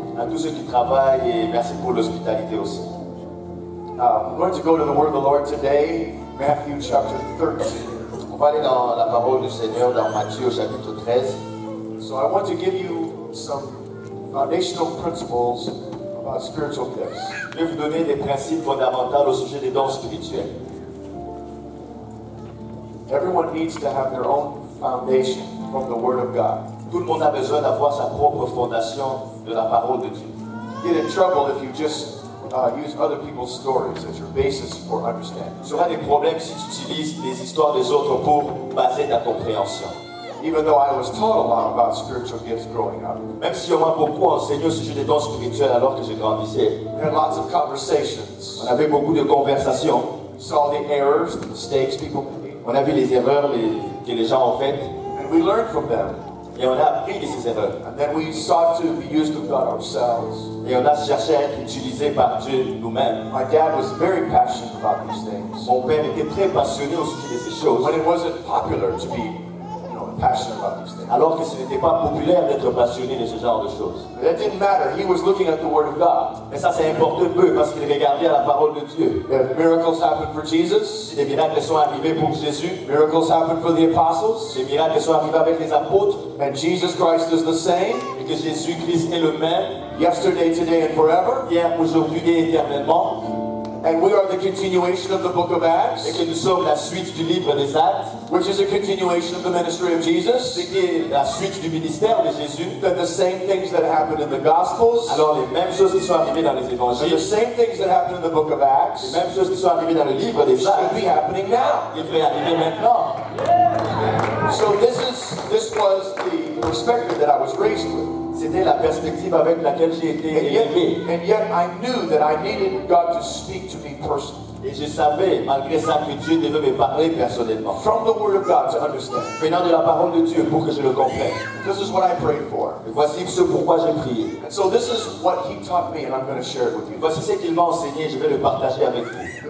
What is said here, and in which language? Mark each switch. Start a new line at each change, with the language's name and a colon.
French: A tous ceux qui travaillent, et merci pour l'hospitalité aussi.
English: We're going to go to the word of the Lord today, Matthew chapter 13.
French: On va aller dans la parole du Seigneur, dans Matthieu chapitre 13.
English: So I want to give you some foundational principles about spiritual gifts.
French: Je vais vous donner des principes fondamentaux au sujet des dons spirituels.
English: Everyone needs to have their own foundation from the Word of God.
French: Tout le monde a besoin d'avoir sa propre fondation de la parole de Dieu.
English: Get in trouble if you just use other people's stories as your basis for understanding.
French: Tu auras des problèmes si tu utilises les histoires des autres pour baser ta compréhension.
English: Even though I was taught a lot about spiritual gifts growing up.
French: Même si on m'a beaucoup enseigné au sujet des dons spirituels alors que je grandissais.
English: There were lots of conversations.
French: On avait beaucoup de conversations.
English: Saw the errors, the mistakes people made.
French: On a vu les erreurs que les gens ont faites.
English: And we learned from them.
French: Et on a appris de ces erreurs.
English: And then we sought to be used of God ourselves.
French: Et on a cherché à être utilisé par Dieu nous-mêmes.
English: My dad was very passionate about these things.
French: Mon père était très passionné au sujet de ces choses.
English: But it wasn't popular to be passionate about these things.
French: Alors que ce n'était pas populaire d'être passionné de ce genre de choses.
English: But that didn't matter. He was looking at the Word of God.
French: Mais ça, ça importe peu parce qu'il regardait à la parole de Dieu.
English: If miracles happened for Jesus,
French: si des miracles sont arrivés pour Jésus.
English: Miracles happened for the apostles,
French: si des miracles sont arrivés avec les apôtres.
English: And Jesus Christ is the same,
French: et que Jésus Christ est le même.
English: Yesterday, today, and forever,
French: hier, aujourd'hui et éternellement.
English: And we are the continuation of the book of Acts.
French: Et que nous sommes la suite du livre des Actes.
English: Which is a continuation of the ministry of Jesus.
French: C'est qui est la suite du ministère de Jésus.
English: Then the same things that happened in the Gospels.
French: Alors les mêmes choses qui sont arrivées dans les Évangiles.
English: The same things that happened in the book of Acts.
French: Les mêmes choses qui sont arrivées dans le livre des Actes.
English: Should be happening now.
French: Il devrait arriver maintenant.
English: So this was the perspective that I was raised with.
French: C'était la perspective avec laquelle j'ai été élevé.
English: And yet I knew that I needed God to speak to me personally.
French: Et je savais, malgré ça, que Dieu devait me parler personnellement.
English: From the Word of God to understand.
French: Venant de la parole de Dieu pour que je le comprenne.
English: This is what I prayed for.
French: Et voici ce pourquoi j'ai prié.
English: And so this is what he taught me and I'm going to share it with you.
French: Voici ce qu'il m'a enseigné et je vais le partager avec vous.